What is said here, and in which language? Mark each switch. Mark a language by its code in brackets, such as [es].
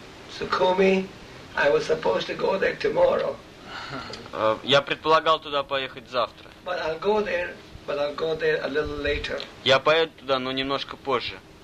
[en] Sukhumi, I was supposed to go there tomorrow. [ru] Я предполагал туда поехать завтра. [en] But I'll go there, but I'll go there a little later. [ru] Я поеду туда, но немножко позже.